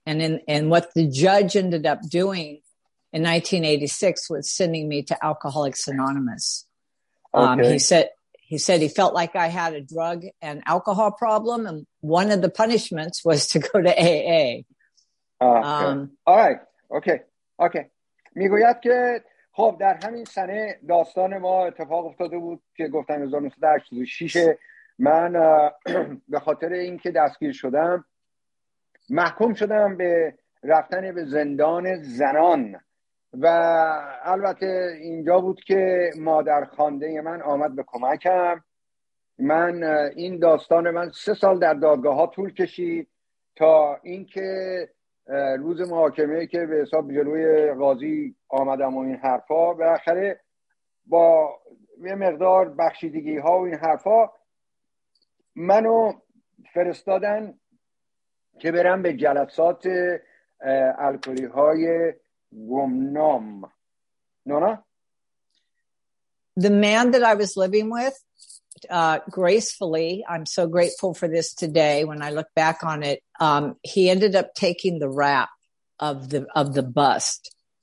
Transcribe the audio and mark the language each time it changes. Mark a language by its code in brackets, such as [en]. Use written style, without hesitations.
[en] And and what the judge ended up doing in 1986 was sending me to Alcoholics Anonymous. Okay. He said he felt like I had a drug and alcohol problem, and one of the punishments was to go to AA. All right. Okay. [fa] میگوید که خب در همین سنه داستان ما اتفاق افتاده بود که گفتم 1986 من به خاطر اینکه دستگیر شدم محکوم شدم به رفتن به زندان زنان و البته اینجا بود که مادر خوانده من آمد به کمکم. من این داستان من 3 سال در دادگاه ها طول کشید تا اینکه روز محاکمه که به حساب جلوی قاضی آمدم و این حرفا بالاخره با یه مقدار بخشیدگی ها و این حرفا منو فرستادن که برم به جلسات الکلی های Nona? [en] The man that I was living with, gracefully, I'm so grateful for this today when I look back on it, he ended up taking the rap of the bust.